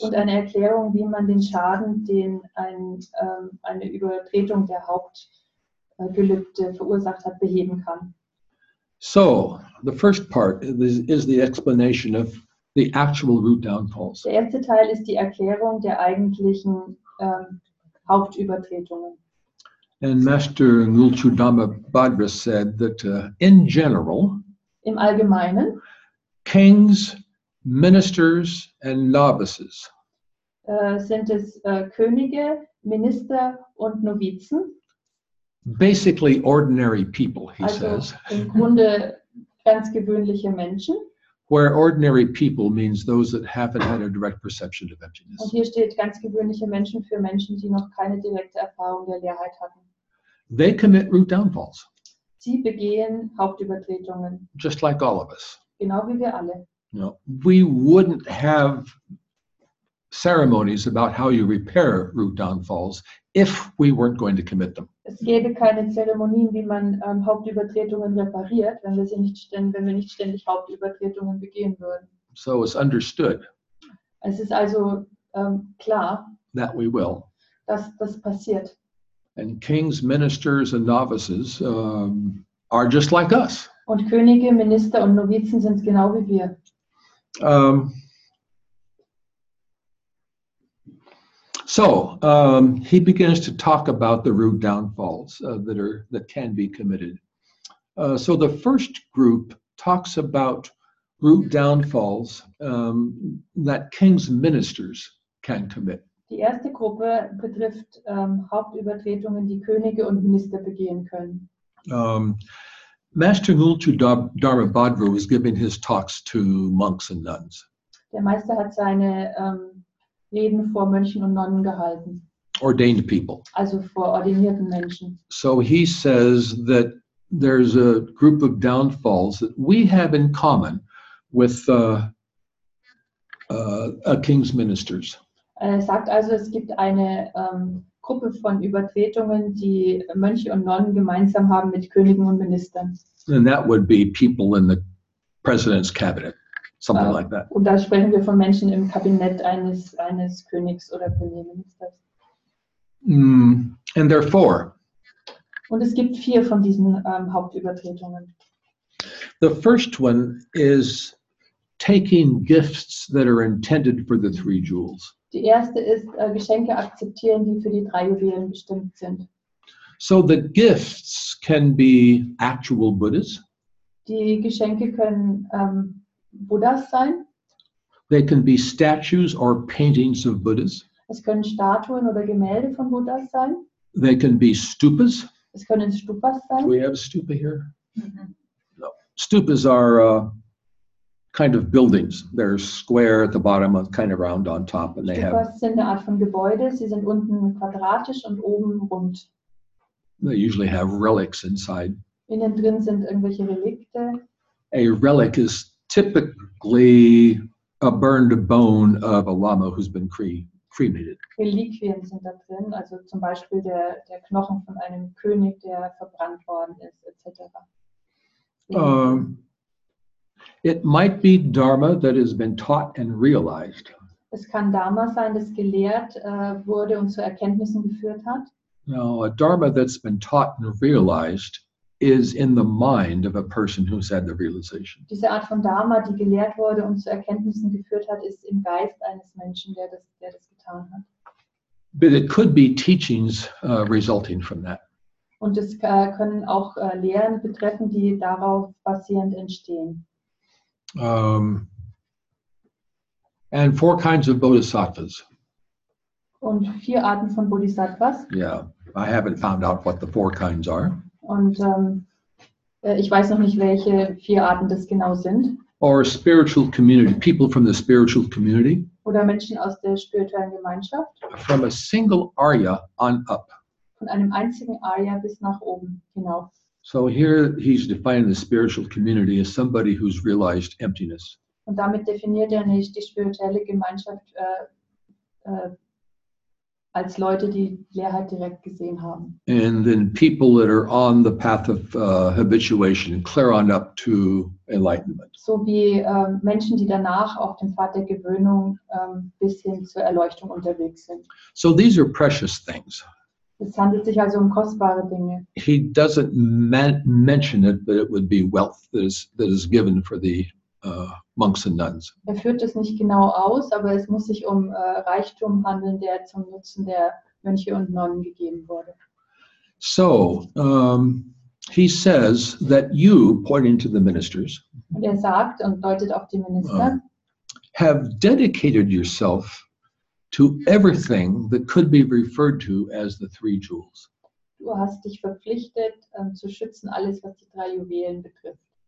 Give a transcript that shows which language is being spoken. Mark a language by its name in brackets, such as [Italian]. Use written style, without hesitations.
[German] Und eine Erklärung, wie man den Schaden, den eine Übertretung der Hauptgelübde verursacht hat, beheben kann. [English] So, the first part is the explanation of the actual root downfalls. [German] Der erste Teil ist die Erklärung der eigentlichen Hauptübertretungen. [English] And Master Ngultu Dharmabhadra said that in general, [German] im Allgemeinen, [English] kings, ministers and novices. [German] Sind es Könige, Minister und Novizen? [English] Basically ordinary people, he says. [German] Im Grunde ganz gewöhnliche Menschen. [English] Where ordinary people means those that haven't had a direct perception of emptiness. [German] Und hier steht ganz gewöhnliche Menschen für Menschen, die noch keine direkte Erfahrung der Leerheit hatten. [English] They commit root downfalls. [German] Sie begehen Hauptübertretungen. [English] Just like all of us. [German] Genau wie wir alle. [English] No, we wouldn't have ceremonies about how you repair root downfalls if we weren't going to commit them. [German] Es gäbe keine Zeremonien, wie man Hauptübertretungen repariert, wenn wir nicht ständig Hauptübertretungen begehen würden. [English] So it's understood. [German] Es ist also klar. [English] That we will. [German] Dass das passiert. [English] And kings, ministers, and novices are just like us. [German] Und Könige, Minister und Novizen sind genau wie wir. [English] He begins to talk about the root downfalls that can be committed. So the first group talks about root downfalls that king's ministers can commit. [German] Die erste Gruppe betrifft Hauptübertretungen, die Könige und Minister begehen können. [English] Master Ngultu Dharmabhadra was giving his talks to monks and nuns. [German] Der Meister hat seine Reden vor Mönchen und Nonnen gehalten. [English] Ordained people. [German] Also vor ordinierten Menschen. [English] So he says that there's a group of downfalls that we have in common with a king's ministers. [German] Er sagt also, es gibt eine Gruppe von Übertretungen, die Mönche und Nonnen gemeinsam haben mit Königen und Ministern. [English] And that would be people in the president's cabinet, something like that. [German] Und da sprechen wir von Menschen im Kabinett eines Königs oder Premierministers. [English] And there are four. [German] Und es gibt vier von diesen Hauptübertretungen. [English] The first one is taking gifts that are intended for the three jewels. [German] Die erste ist Geschenke akzeptieren, die für die drei Juwelen bestimmt sind. [English] So the gifts can be actual Buddhas. [German] Die Geschenke können Buddhas sein. [English] They can be statues or paintings of Buddhas. [German] Es können Statuen oder Gemälde von Buddhas sein. [English] They can be stupas. [German] Es können Stupas sein. [English] Do we have a stupa here? Mm-hmm. No. Stupas are kind of buildings. They're square at the bottom, kind of round on top, and stupas they have. [German] Stupas sind eine Art von Gebäude. Sie sind unten quadratisch und oben rund. [English] They usually have relics inside. [German] Innen drin sind irgendwelche Relikte. [English] A relic is typically a burned bone of a llama who's been cremated. [German] Reliquien sind da drin, also zum Beispiel der Knochen von einem König, der verbrannt worden ist, etc. [English] It might be Dharma that has been taught and realized. [German] Es kann Dharma sein, das gelehrt wurde und zu Erkenntnissen geführt hat. [English] No, a Dharma that's been taught and realized is in the mind of a person who's had the realization. [German] Diese Art von Dharma, die gelehrt wurde und zu Erkenntnissen geführt hat, ist im Geist eines Menschen, der das getan hat. [English] But it could be teachings resulting from that. [German] Und es können auch Lehren betreffen, die darauf basierend entstehen. [English] And four kinds of bodhisattvas. [German] Und vier Arten von Bodhisattvas. [English] Yeah, I haven't found out what the four kinds are. [German] Und ich weiß noch nicht, welche vier Arten das genau sind. [English] Or spiritual community, people from the spiritual community. [German] Oder Menschen aus der spirituellen Gemeinschaft. [English] From a single Arya on up. [German] Von einem einzigen Arya bis nach oben hinauf. [English] So here he's defining the spiritual community as somebody who's realized emptiness. [German] Und damit definiert er nicht die spirituelle Gemeinschaft als Leute, die Leerheit direkt gesehen haben. [English] And then people that are on the path of habituation, clear on up to enlightenment. [German] So wie Menschen, die danach auf dem Pfad der Gewöhnung bis hin zur Erleuchtung unterwegs sind. [English] So these are precious things. [German] Es handelt sich also um kostbare Dinge. [English] He doesn't mention it, but it would be wealth that is given for the monks and nuns. [German] Er führt es nicht genau aus, aber es muss sich um Reichtum handeln, der zum Nutzen der Mönche und Nonnen gegeben wurde. [English] So, he says that you, pointing to the ministers, [German] und er sagt und deutet auf die Minister, [English] have dedicated yourself to everything that could be referred to as the three jewels. [German] Du hast dich verpflichtet, zu schützen alles, was die drei Juwelen betrifft.